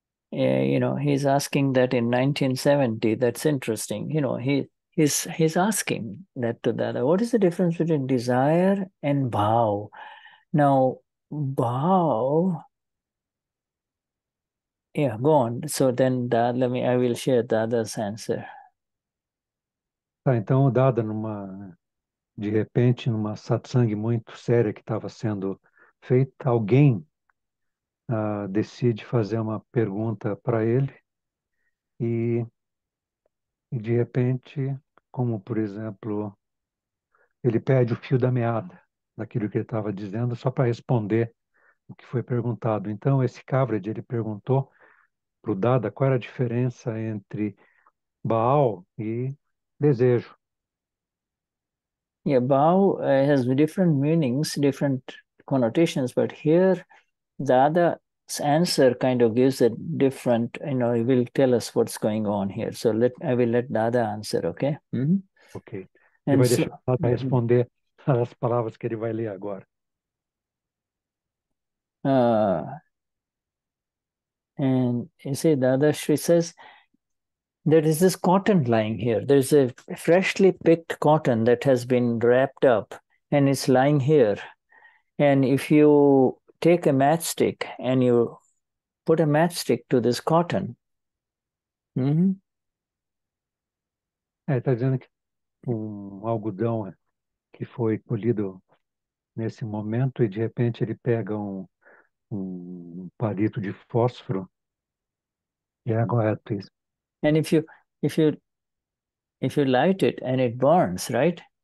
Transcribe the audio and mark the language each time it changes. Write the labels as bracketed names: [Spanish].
[English] He's asking that in 1970. That's interesting. He's asking that to Dada. What is the difference between desire and Bhav? Now, Bhav. Yeah, go on. So then, Dada, I will share Dada's answer. [Portuguese] Tá, então, dada numa, de repente, numa satsang muito séria que estava sendo feita, alguém decide fazer uma pergunta para ele e, de repente, como, por exemplo, ele perde o fio da meada daquilo que ele estava dizendo só para responder o que foi perguntado. Então, esse cavra, ele perguntou para o dada qual era a diferença entre Baal e desejo. [English] Yeah, Bhav has different meanings, different connotations, but here Dada's answer kind of gives a different, he will tell us what's going on here. So I will let Dada answer, okay? [Portuguese] Ok. Ele [English] And [Portuguese] vai [English] so. [Portuguese] deixar para responder as palavras que ele vai ler agora. [English] And you see, Dada Shri says, there is this cotton lying here. There is a freshly picked cotton that has been wrapped up and it's lying here. And if you take a matchstick and you put a matchstick to this cotton, [Portuguese] É, está dizendo que um algodão que foi colhido nesse momento e de repente ele pega um palito de fósforo e agora é isso. [English] And if you light it and it burns, right?